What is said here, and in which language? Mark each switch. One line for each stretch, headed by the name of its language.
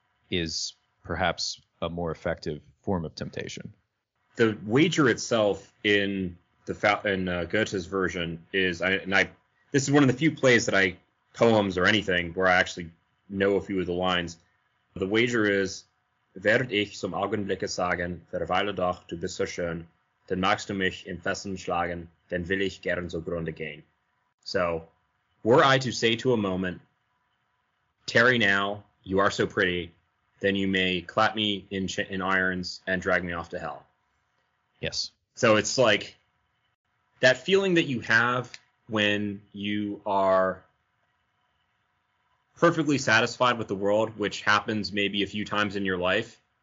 English: is perhaps a more effective form of temptation. The wager itself in the Goethe's version is, this is one of the few plays that poems or anything where I actually know a few of the lines.
German: The wager is, werd ich zum Augenblicke sagen, verweile doch, du bist so schön, denn magst du mich in Fesseln schlagen, denn will ich gern so grunde gehen.
English: So, were I to say to a moment, tarry now, you are so pretty, then you may clap me in irons and drag me off to hell. Yes. So it's like that feeling that you have when you are perfectly satisfied with the world, which happens maybe a few times in your life.